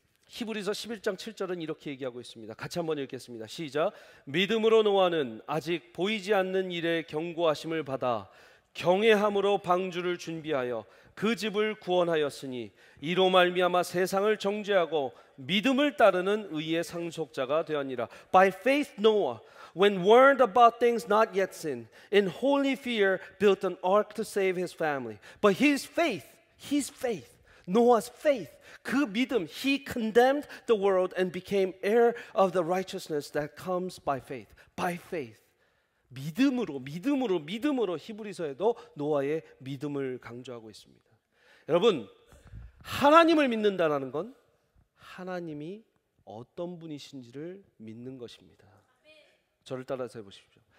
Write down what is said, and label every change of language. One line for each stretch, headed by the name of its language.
Korean: 히브리서 11장 7절은 이렇게 얘기하고 있습니다. 같이 한번 읽겠습니다. 시작. 믿음으로 노아는 아직 보이지 않는 일에 경고하심을 받아 경외함으로 방주를 준비하여 그 집을 구원하였으니 이로 말미암아 세상을 정죄하고 믿음을 따르는 의의 상속자가 되었니라.
English: By faith Noah, when warned about things not yet seen, in holy fear built an ark to save his family. But his faith, Noah's faith,
Korean: 그 믿음,
English: he condemned the world and became heir of the righteousness that comes by faith. By faith.
Korean: 믿음으로, 믿음으로, 믿음으로 히브리서에도 노아의 믿음을 강조하고 있습니다. 여러분, 하나님을 믿는다는 건 하나님이 어떤 분이신지를 믿는 것입니다. 저를 따라서 해보십시오.